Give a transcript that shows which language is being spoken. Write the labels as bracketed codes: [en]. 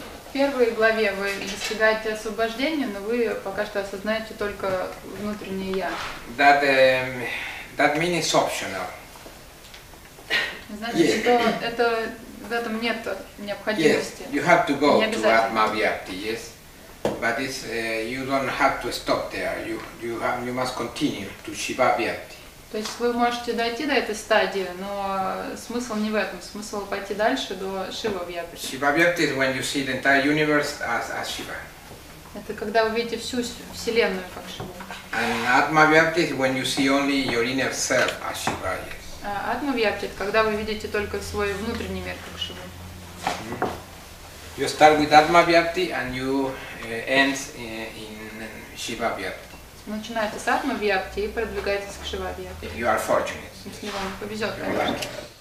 [ru] В первой главе вы достигаете освобождения, но вы пока что осознаете только внутреннее я. [en] That that means optional. [ru] Значит, yes. Что это в этом нет необходимости. [en] Yes, you have to go to Atma Vyakti, yes, but it's you don't have to stop there. You must continue to Shiva Vyakti. [ru] То есть вы можете дойти до этой стадии, но смысл не в этом. Смысл пойти дальше до Шива Вьяпти. [en] Шива Вьяпти is when you see the entire universe as Shiva. [ru] Это когда вы видите всю Вселенную как Шиву. [en] And Atma Vyakti is when you see only your inner self as Shiva, yes. [ru] Atma Vyakti – когда вы видите только свой внутренний мир как Шиву. [en] You start with Atma Vyakti and you end in Shiva Vyakti. [ru] Начинаете с атма-вьякти и продвигаетесь к шива-вьякти. [en] You are fortunate. [ru] Если вам повезет, конечно.